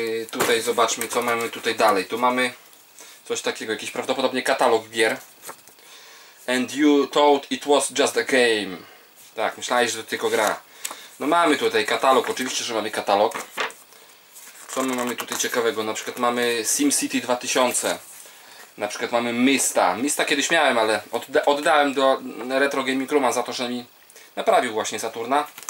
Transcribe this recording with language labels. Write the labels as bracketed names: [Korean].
[Polish] Tutaj zobaczmy, co mamy tutaj dalej. Tu mamy coś takiego, jakiś prawdopodobnie katalog gier. [English] And you thought it was just a game. [Polish] Tak, myślałeś, że to tylko gra. No mamy tutaj katalog, oczywiście, że mamy katalog. Co my mamy tutaj ciekawego? Na przykład mamy SimCity 2000. Na przykład mamy Mista. Mista kiedyś miałem, ale oddałem do Retro Gaming Rooma za to, że mi naprawił właśnie Saturna.